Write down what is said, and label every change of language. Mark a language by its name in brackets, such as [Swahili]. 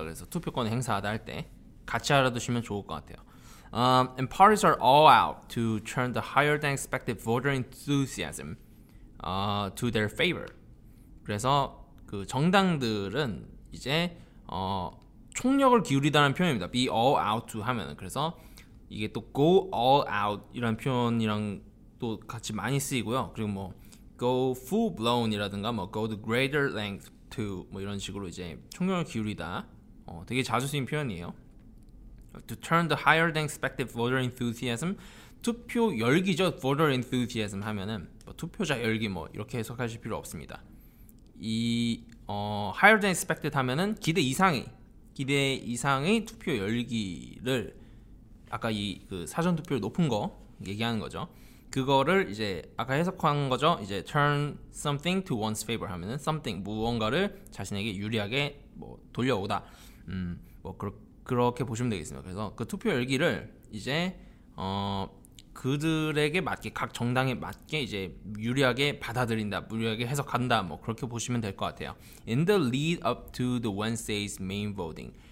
[Korean] 그래서 투표권을 행사하다 할 때 같이 알아두시면 좋을 것 같아요. [English] And parties are all out to turn the higher than expected voter enthusiasm to their favor. [Korean] 그래서 그 정당들은 이제 총력을 기울이다는 표현입니다. [English] Be all out to [Korean] 하면은 그래서 이게 또 [English] go all out [Korean] 이런 표현이랑 또 같이 많이 쓰이고요. 그리고 뭐 [English] go full blown [Korean] 이라든가 뭐 [English] go the greater length to [Korean] 뭐 이런 식으로 이제 총력을 기울이다. 되게 자주 쓰인 표현이에요. [English] To turn the higher than expected voter enthusiasm, [Korean] 투표 열기죠. [English] Voter enthusiasm [Korean] 하면은 뭐 투표자 열기 뭐 이렇게 해석하실 필요 없습니다. 이 [English] higher than expected [Korean] 하면은 기대 이상의 투표 열기를 아까 이 그 사전 투표율 높은 거 얘기하는 거죠. 그거를 이제 아까 해석한 거죠. 이제 [English] turn something to one's favor [Korean] 하면은 something 무언가를 자신에게 유리하게 뭐 돌려오다. 뭐 그렇게 보시면 되겠습니다. 그래서 그 투표 열기를 이제 그들에게 맞게 각 정당에 맞게 이제 유리하게 받아들인다, 유리하게 해석한다, 뭐 그렇게 보시면 될 것 같아요. [English] In the lead up to the Wednesday's main voting.